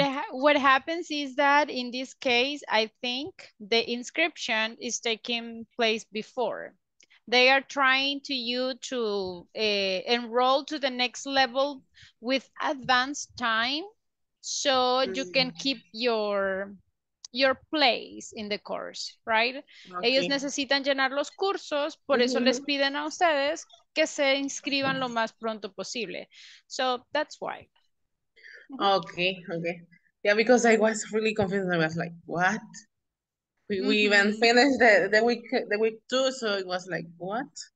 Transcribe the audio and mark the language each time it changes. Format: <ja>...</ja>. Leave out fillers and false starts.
<en>What happens is that in this case, I think the inscription is taking place before. They are trying to you to enroll to the next level with advanced time, so you can keep your place in the course, right? Okay.</en> <es>Ellos necesitan llenar los cursos, por eso les piden a ustedes que se inscriban lo más pronto posible.</es> <en>So that's why. Okay, okay. Yeah, because I was really confused. I was like, what? We even finished the week two, so it was like, what?</en>